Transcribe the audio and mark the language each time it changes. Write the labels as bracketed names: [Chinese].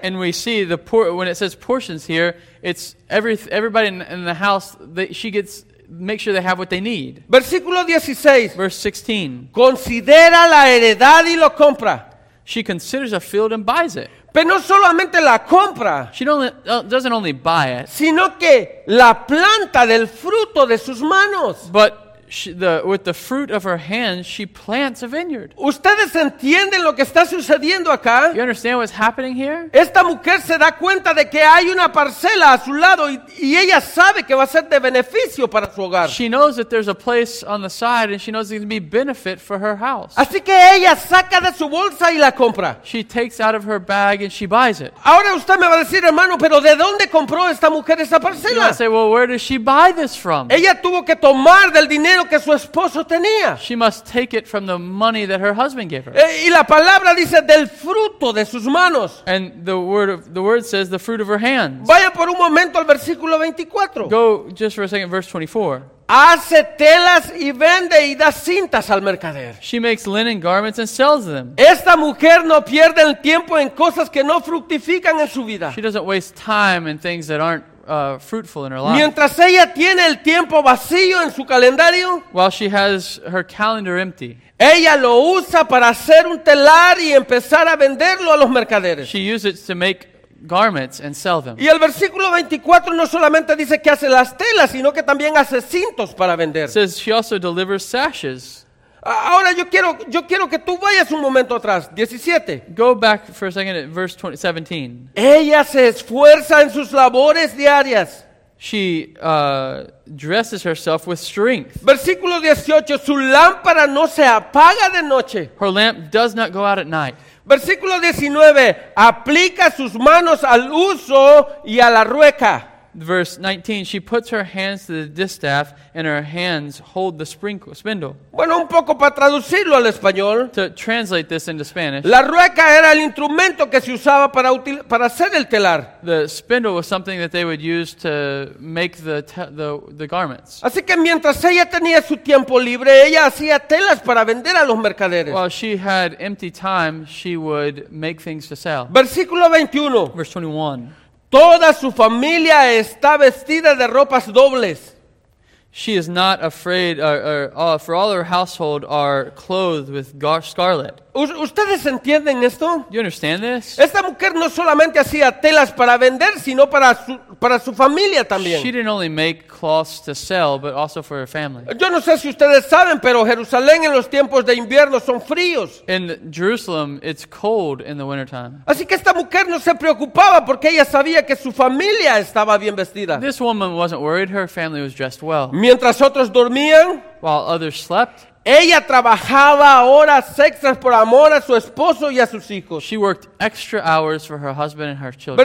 [English] And we see the when it says portions here, it's everybody in the house that she gets. Make sure they have what they need. [Spanish] Versículo 16. [English] Verse 16. [Spanish] Considera la heredad y lo compra. [English] She considers a field and buys it. [Spanish] Pero no solamente la compra. [English] She doesn't only buy it. [Spanish] Sino que la planta del fruto de sus manos. [English] But with the fruit of her hands, she plants a vineyard. [Spanish] ¿Ustedes entienden lo que está sucediendo acá? [English] You understand what's happening here? [Spanish] Esta mujer se da cuenta de que hay una parcela a su lado y ella sabe que va a ser de beneficio para su hogar. [English] She knows that there's a place on the side and she knows it's going to be benefit for her house. [Spanish] Así que ella saca de su bolsa y la compra. [English] She takes out of her bag and she buys it. [Spanish] Ahora usted me va a decir, hermano, pero ¿de dónde compró esta mujer esa parcela? [English] You say, well, where does she buy this from? [Spanish] Ella tuvo que tomar del dinero que su esposo tenía. [English] She must take it from the money that her husband gave her. [Spanish] Y la palabra dice del fruto de sus manos. [English] And the word says the fruit of her hands. [Spanish] Vaya por un momento al versículo 24. [English] Go just for a second, verse 24. [Spanish] Hace telas y vende y da cintas al mercader. [English] She makes linen garments and sells them. [Spanish] Esta mujer no pierde el tiempo en cosas que no fructifican en su vida. [English] She doesn't waste time in things that aren't fruitful in her life. [Spanish] Mientras ella tiene el tiempo vacío en su calendario, [English] while she has her calendar empty, [Spanish] ella lo usa para hacer un telar y empezar a venderlo a los mercaderes. [English] She uses it to make garments and sell them. [Spanish] Y el versículo 24 no solamente dice que hace las telas, sino que también hace cintos para vender. [English] It says she also delivers sashes. [Spanish] Ahora yo quiero que tú vayas un momento atrás, 17. [English] Go back for a second at verse 17. [Spanish] Ella se esfuerza en sus labores diarias. [English] She dresses herself with strength. [Spanish] Versículo 18, su lámpara no se apaga de noche. [English] Her lamp does not go out at night. [Spanish] Versículo 19, aplica sus manos al huso y a la rueca. [English] Verse 19, she puts her hands to the distaff and her hands hold the spindle. [Spanish] Bueno, un poco para traducirlo al español. [English] To translate this into Spanish. [Spanish] La rueca era el instrumento que se usaba para hacer el telar. [English] The spindle was something that they would use to make the garments. [Spanish] Así que mientras ella tenía su tiempo libre, ella hacía telas para vender a los mercaderes. [English] While she had empty time, she would make things to sell. [Spanish] Versículo 21. [English] Verse 21. [Spanish] Toda su familia está vestida de ropas dobles. [English] She is not afraid, for all her household are clothed with scarlet. [Spanish] ¿Ustedes entienden esto? [English] You understand this? [Spanish] Esta mujer no solamente hacía telas para vender, sino para su familia también. [English] She didn't only make cloths to sell, but also for her family. [Spanish] Yo no sé si ustedes saben, pero Jerusalén en los tiempos de invierno son fríos. [English] In Jerusalem, it's cold in the wintertime. [Spanish] Así que esta mujer no se preocupaba porque ella sabía que su familia estaba bien vestida. [English] This woman wasn't worried. Her family was dressed well. [Spanish] Mientras otros dormían, [English] while others slept, [Spanish] ella trabajaba horas extras por amor a su esposo y a sus hijos. [English] She worked extra hours for her husband and her children.